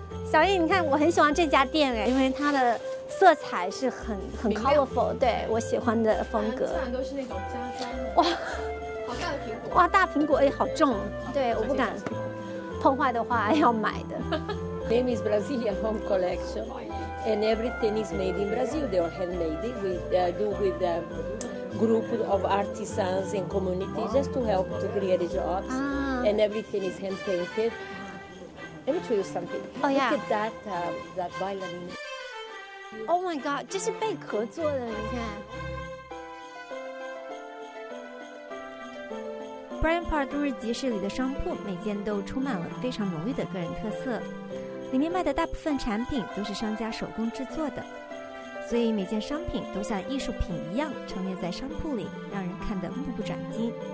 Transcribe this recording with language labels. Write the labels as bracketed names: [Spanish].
[Chinese] 小燕，你看我很喜欢这家店哎，因为它的色彩是很 colorful， 对，我喜欢的风格。基本都是那种家装。哇，好大的苹果！哇，大苹果哎，好重，对，我不敢碰坏的话要买的。 [English] Name is Brazilian Home Collection, and everything is made in Brazil. They are handmade. We do with a group of artisans and community just to help to create jobs, and everything is hand painted. Let me show you something. Oh, yeah. Look at that, that violin. Oh, my God. This is [Chinese] 贝壳做的，你看。 Brian Park 度日集市里的商铺每件都充满了非常浓郁的个人特色，里面卖的大部分产品都是商家手工制作的，所以每件商品都像艺术品一样陈列在商铺里，让人看得目不转睛。